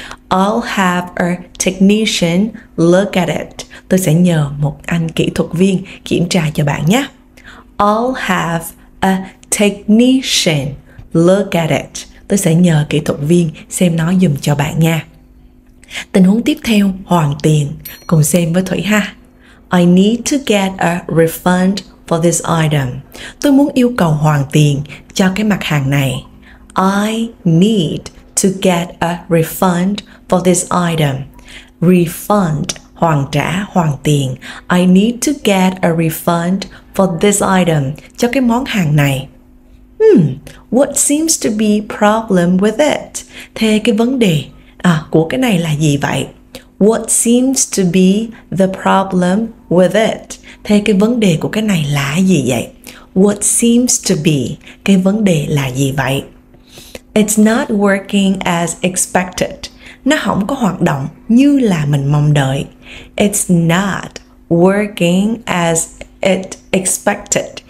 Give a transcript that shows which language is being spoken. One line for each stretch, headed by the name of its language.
English: I'll have a technician look at it.
Vietnamese: Tôi sẽ nhờ một anh kỹ thuật viên kiểm tra cho bạn nhé.
English: I'll have a technician look at it.
Vietnamese: Tôi sẽ nhờ kỹ thuật viên xem nó giùm cho bạn nha. Tình huống tiếp theo, hoàn tiền. Cùng xem với Thủy ha.
English: I need to get a refund for this item.
Vietnamese: Tôi muốn yêu cầu hoàn tiền cho cái mặt hàng này.
English: I need to get a refund for this item. Refund,
Vietnamese: hoàn trả, hoàn tiền.
English: I need to get a refund for this item,
Vietnamese: cho cái món hàng này.
English: What seems to be problem with it?
Vietnamese: Thế cái vấn đề của cái này là gì vậy?
English: What seems to be the problem with it?
Vietnamese: Thế cái vấn đề của cái này là gì vậy?
English: What seems to be?
Vietnamese: Cái vấn đề là gì vậy?
English: It's not working as expected.
Vietnamese: Nó không có hoạt động như là mình mong đợi.
English: It's not working as it expected.